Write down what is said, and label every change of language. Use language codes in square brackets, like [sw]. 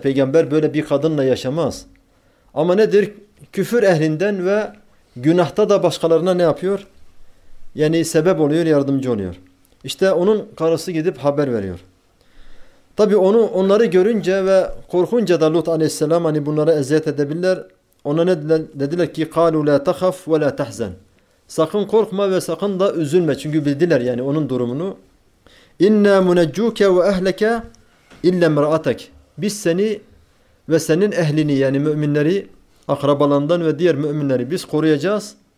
[tr] Peygamber böyle bir kadınla yaşamaz. Ama nedir? Küfür ehlinden ve günahta da başkalarına ne yapıyor? Yani sebep oluyor, yardımcı oluyor. İşte onun karısı gidip haber veriyor. Tabii onları görünce ve korkunca da Lut aleyhisselam, hani bunlara eziyet edebilirler. Ona ne dediler? Dediler ki [ar] قَالُوا لَا تَخَفْ وَلَا تَحْزَنْ. [tr] Sakın korkma ve sakın da üzülme. Çünkü bildiler yani onun durumunu. [ar] اِنَّا مُنَجُّوكَ وَاَهْلَكَ اِلَّا مْرَأَتَكَ. [tr] Biz seni ve senin ehlini, yani müminleri, akrabalarından ve diğer müminleri biz koruyacağız.